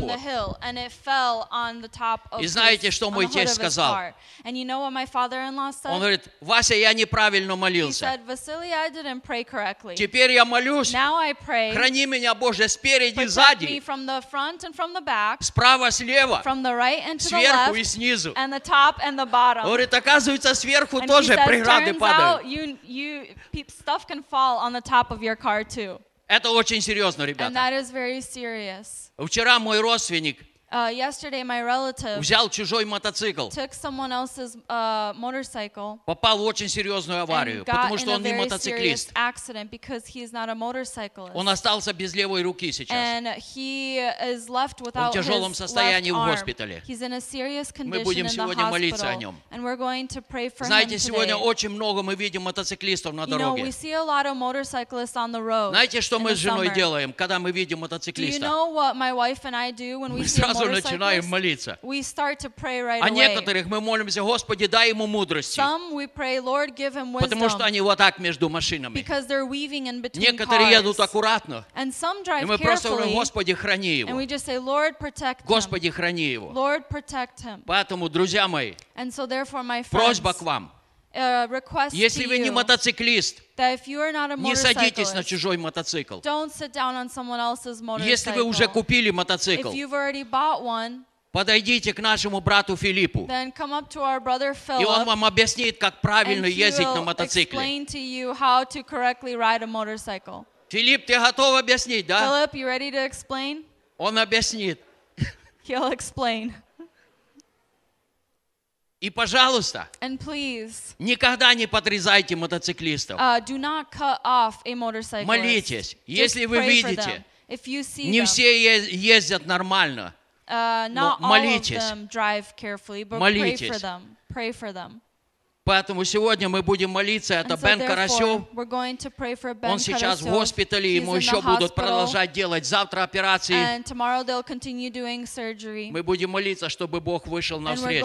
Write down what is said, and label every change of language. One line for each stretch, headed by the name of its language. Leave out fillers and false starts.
English: From the hill, and it fell on the top of
Russian: и знаете,
English: his,
Russian: что мой тесть сказал?
English: And you know what my father-in-law said?
Russian: Он говорит: "Вася, я неправильно молился."
English: He said, "Vasily, I didn't pray correctly."
Russian: Теперь я молюсь.
English: Now I pray.
Russian: Храни меня, Боже, спереди, сзади.
English: Protect me from the front and from the back.
Russian: Справа, слева.
English: From the right and to the
Russian: сверху
English: left,
Russian: и снизу.
English: And the top and the bottom.
Russian: Говорит, оказывается, сверху
English: and
Russian: тоже
English: says,
Russian: преграды падают.
English: You, stuff can fall on the top of your car too.
Russian: Это очень серьезно, ребята.
English: And that is very serious.
Russian: Вчера мой родственник
English: yesterday my relative
Russian: взял чужой мотоцикл.
English: Took someone else's motorcycle.
Russian: Попал в очень серьезную аварию,
English: and got
Russian: потому что
English: in
Russian: он не мотоциклист.
English: Serious accident because he is not a motorcyclist.
Russian: Он остался без левой руки сейчас.
English: And he is left without his left arm.
Russian: Он в тяжелом состоянии в госпитале.
English: He's in a serious condition in the
Russian: Мы будем сегодня молиться о нем.
English: And we're going to pray for him.
Russian: Знаете, сегодня очень много мы видим мотоциклистов на дороге.
English: You know, we see a lot of motorcyclists on the road.
Russian: Знаете, что мы с женой
English: summer?
Russian: Делаем, когда мы видим мотоциклиста?
English: Do you know what my wife and I do when we see
Russian: Сразу начинаем молиться.
English: We start to pray right
Russian: а некоторых
English: away.
Russian: Мы молимся, Господи, дай ему мудрости.
English: Some we pray, Lord, give him wisdom.
Russian: Потому что они вот так между машинами.
English: Because they're weaving in between
Russian: некоторые
English: cars.
Russian: Едут аккуратно.
English: And some drive
Russian: и мы
English: carefully.
Russian: Просто говорим, Господи, храни его.
English: And we just say, Lord, protect him.
Russian: Господи, храни его.
English: Lord, protect him.
Russian: Поэтому, друзья мои,
English: and so therefore, my friends,
Russian: просьба к вам.
English: Request
Russian: если
English: to
Russian: вы
English: you,
Russian: не мотоциклист,
English: that if you are not a motorcyclist,
Russian: не садитесь на чужой мотоцикл.
English: Don't sit down on someone else's motorcycle.
Russian: Если вы уже купили мотоцикл,
English: if you've already bought one,
Russian: подойдите к нашему брату Филиппу,
English: then come up to our brother Philip,
Russian: и он вам объяснит, как правильно ездить на мотоцикле.
English: And he will explain to you how to correctly ride a motorcycle.
Russian: Филипп, ты готов объяснить, да?
English: Philip, you ready to explain?
Russian: Он объяснит.
English: He'll explain.
Russian: И, пожалуйста,
English: and please,
Russian: никогда не подрезайте мотоциклистов.
English: Do not cut off a motorcyclist.
Russian: Молитесь,
English: just
Russian: если вы видите,
English: if you see
Russian: не
English: them.
Russian: Все ездят нормально.
English: Not
Russian: молитесь.
English: All of them drive carefully, but
Russian: молитесь.
English: Pray for them. Pray for them.
Russian: Поэтому сегодня мы будем молиться, это Бен Карасев.
English: We're going to pray for Ben
Russian: он сейчас Карасев. В госпитале,
English: he's
Russian: ему еще будут продолжать делать завтра операции.
English: And tomorrow they'll continue doing surgery.
Russian: Мы будем молиться, чтобы Бог вышел навстречу.